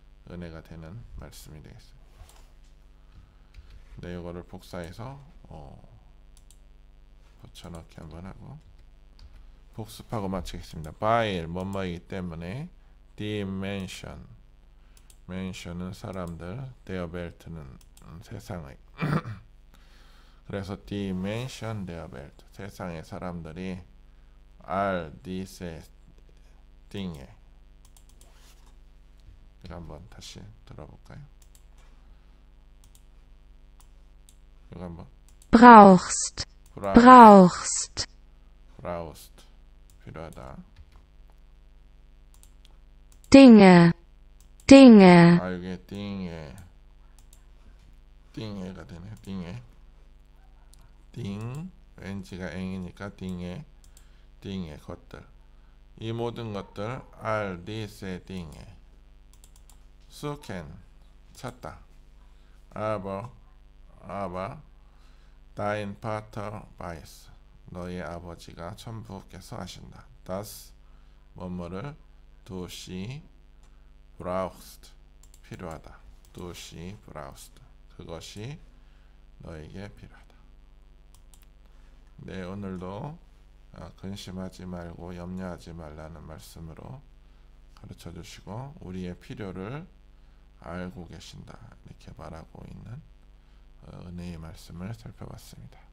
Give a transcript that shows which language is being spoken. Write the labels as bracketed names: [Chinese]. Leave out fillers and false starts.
[Korean] 은혜가 되는 말씀이 되겠습니다. 네, 이거를 복사해서 붙여넣기 한번 하고 복습하고 마치겠습니다. [German] weil [Korean] 뭐뭐이기 때문에 [German] die Menschen. [Korean] Menschen은 사람들, der Welt는 세상의. 그래서 [German] die Menschen der Welt, [Korean] 세상의 사람들이 [German] all diese Dinge. [Korean] 이거 한번 다시 들어볼까요? 이거 한번 [German] brauchst. brauchst. [Korean] brauchst. 필요하다. [German] Dinge. Dinge. [Korean] 아, 이게 Dinge. Dinge가 되네. Dinge. Ding. NG가 N이니까 Dinge. Dinge 것들. 이 모든 것들 [English] all these [Korean] Dinge. [German] Suchen. [Korean] 찾다. [German] Aber dein Vater weiß. [Korean] 너의 아버지가 천부께서 아신다. [German] Das [Korean] 뭐뭐를 [German] du sie brauchst [Korean] 필요하다. [German] Du sie brauchst [Korean] 그것이 너에게 필요하다. 네, 오늘도 근심하지 말고 염려하지 말라는 말씀으로 가르쳐 주시고 우리의 필요를 알고 계신다 이렇게 말하고 있는 은혜의 말씀을 살펴봤습니다.